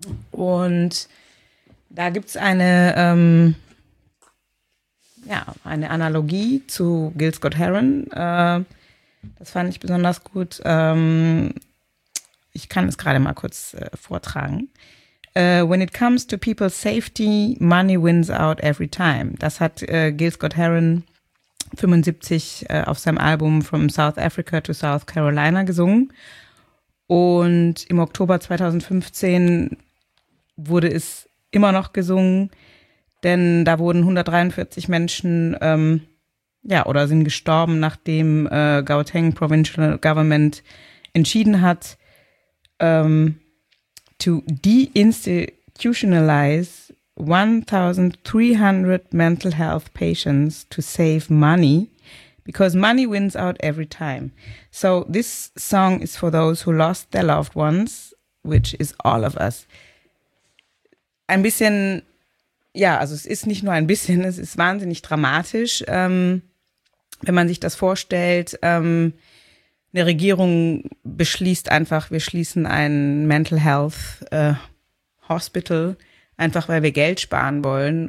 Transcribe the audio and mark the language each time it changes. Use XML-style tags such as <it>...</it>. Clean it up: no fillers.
<de>Und da gibt es eine Analogie zu Gil Scott-Heron. Das fand ich besonders gut. Ich kann es gerade mal kurz vortragen.</de> <en>When it comes to people's safety, money wins out every time.</en> <de>Das hat Gil Scott-Heron 75 auf seinem Album From South Africa to South Carolina gesungen. Und im Oktober 2015 wurde es immer noch gesungen, denn da wurden 143 Menschen sind gestorben, nachdem Gauteng Provincial Government entschieden hat,</de> <en>to deinstitutionalize 1,300 mental health patients to save money, because money wins out every time. So this song is for those who lost their loved ones, which is all of us.</en> <de>Ein bisschen, ja, also es ist nicht nur ein bisschen, es ist wahnsinnig dramatisch, wenn man sich das vorstellt. Eine Regierung beschließt einfach, wir schließen ein Mental Health Hospital, einfach weil wir Geld sparen wollen.</de>